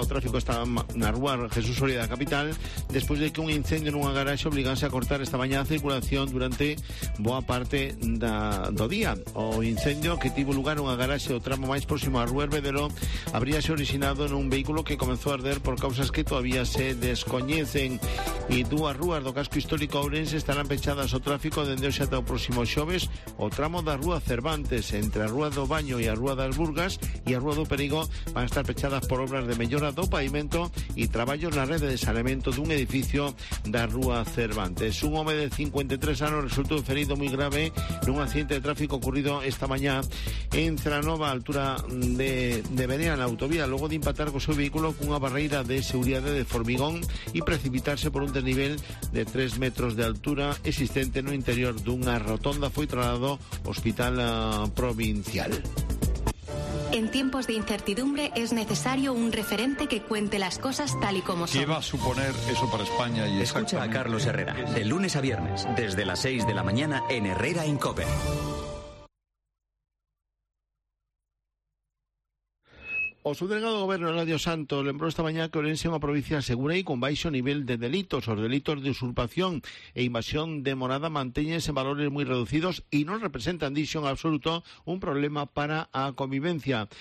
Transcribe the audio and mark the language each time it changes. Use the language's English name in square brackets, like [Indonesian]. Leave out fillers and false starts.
[Spanish] El tráfico está en la rúa Jesús Soria de la capital, después de que un incendio en un garaje obligase a cortar esta mañana circulación durante [Galician] boa parte do día. [Spanish] O incendio que tuvo lugar en un garaje o tramo más próximo a rúa Herbedero habría sido originado en un vehículo que comenzó a arder por causas que todavía se desconocen. [Galician] Y dúas rúas do casco histórico ourense estarán pechadas o tráfico dende hoxe ata o próximo xoves. O tramo da rúa Cervantes entre a rúa do Baño e a rúa das Burgas e a rúa do Perigo van a estar pechadas por obras de mellora do pavimento e traballos na rede de saneamento dun edificio da rúa Cervantes. Un home de 53 anos resultou ferido moi grave nun accidente de tráfico ocurrido esta mañá en Zaranova, altura de Berea, na autovía, logo de impactar co seu vehículo cunha barreira de seguridade de formigón e precipitarse por un desnivel de 3 metros de altura existente no interior dunha rotonda. Foi trasladado ao hospital provincial. [Spanish] En tiempos de incertidumbre es necesario un referente que cuente las cosas tal y como son. ¿Qué va a suponer eso para España? Y escucha a Carlos Herrera de lunes a viernes desde las 6 de la mañana en Herrera en COPE. [Galician] O subdelegado do goberno, Eladio Santo, lembrou esta mañá que Ourense é unha provincia segura e con baixo nivel de delitos. Os delitos de usurpación e invasión de morada mantéñense en valores moi reducidos e non representan, dixo en absoluto, un problema para a convivencia.